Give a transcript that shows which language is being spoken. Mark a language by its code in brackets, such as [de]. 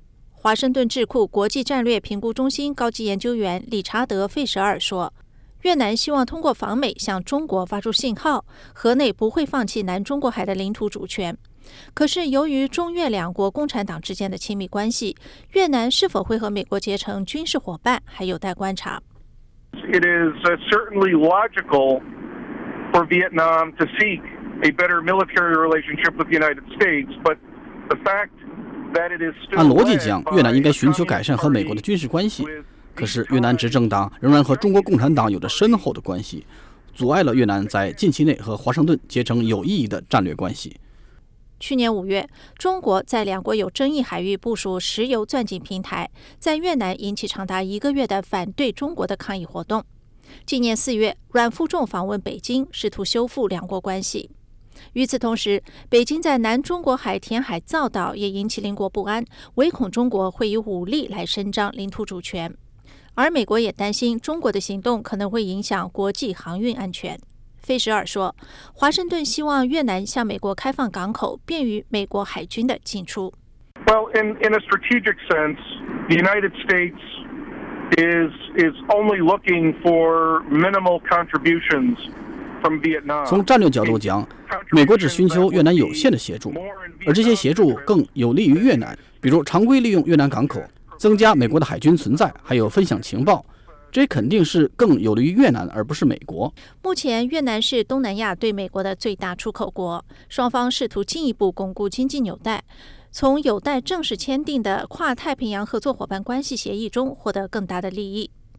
[zh] 华盛顿智库国际战略评估中心高级研究员理查德·费舍尔说，越南希望通过访美向中国发出信号，河内不会放弃南中国海的领土主权。可是由于中越两国共产党之间的亲密关系，越南是否会和美国结成军事伙伴还有待观察。 [en] It is certainly logical for Vietnam to seek a better military relationship with the United States, but the fact that it is still [zh] 按逻辑讲，越南应该寻求改善和美国的军事关系。可是越南执政党仍然和中国共产党有着深厚的关系，阻碍了越南在近期内和华盛顿结成有意义的战略关系。去年5月，中国在两国有争议海域部署石油钻井平台，在越南引起长达1个月的反对中国的抗议活动。今年4月，阮富仲访问北京，试图修复两国关系。与此同时，北京在南中国海填海造岛也引起邻国不安，唯恐中国会以武力来伸张领土主权。而美国也担心中国的行动可能会影响国际航运安全。费舍尔说，华盛顿希望越南向美国开放港口，便于美国海军的进出。 [en] Well, in a strategic sense, the United States is only looking for minimal contributions from Vietnam. [zh] 从战略角度讲，美国只寻求越南有限的协助，而这些协助更有利于越南，比如常规利用越南港口，增加美国的海军存在，还有分享情报，这肯定是更有利于越南而不是美国。目前越南是东南亚对美国的最大出口国，双方试图进一步巩固经济纽带，从有待正式签订的跨太平洋合作伙伴关系协议中获得更大的利益。